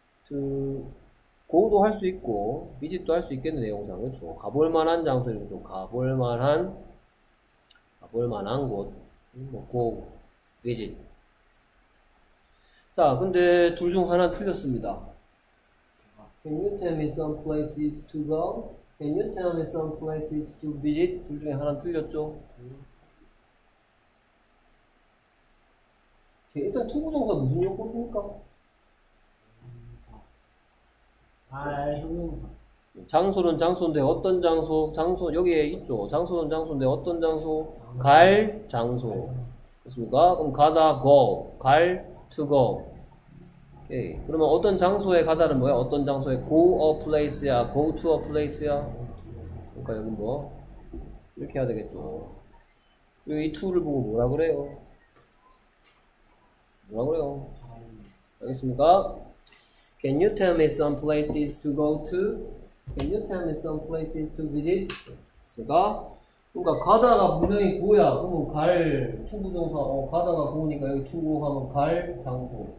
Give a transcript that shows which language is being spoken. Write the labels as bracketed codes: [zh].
[ko] 고도 할수 있고, 비짓도 할수 있겠네. 내용상. 그렇죠. 가볼 만한 장소 이런 거죠. 가볼 만한 곳. 뭐, 고, 비짓. 자, 근데 둘중 하나 틀렸습니다. [en] Can you tell me some places to go? Can you tell me some places to visit? [ko] 둘 중에 하나 틀렸죠? 일단 투부정사 무슨 용법입니까? 형용사. 장소는 장소인데 어떤 장소? 장소 여기에 있죠. 장소는 장소인데 어떤 장소? 갈 장소. 그렇습니까? 그럼 가다 go, 갈 to go. 예, 그러면 어떤 장소에 가다는 뭐야? 어떤 장소에 go a place야? go to a place야? 그러니까 여기 뭐? 이렇게 해야 되겠죠. 그리고 이 to를 보고 뭐라 그래요? 뭐라 그래요? 알겠습니까? [en] Can you tell me some places to go to? Can you tell me some places to visit? [ko] 알겠습니까? 그러니까 가다가 분명히 고야. 그럼 갈 to부정사 가다가 고니까 여기 to고 하면 갈 장소.